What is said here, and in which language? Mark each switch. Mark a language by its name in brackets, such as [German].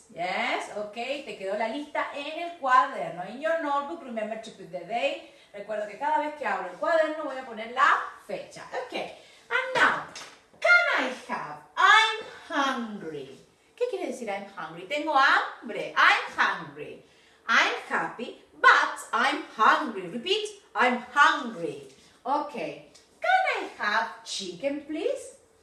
[Spanish] Yes, okay, te quedó la lista en el cuaderno. [English] In your notebook, remember to put the day. [Spanish] Recuerdo que cada vez que abro el cuaderno voy a poner la fecha. [English] Okay, and now, can I have? I'm hungry. [Spanish] ¿Qué quiere decir I'm hungry? Tengo hambre. [English] I'm hungry. I'm happy, but I'm hungry. Repeat, I'm hungry. Okay, can I have chicken, please?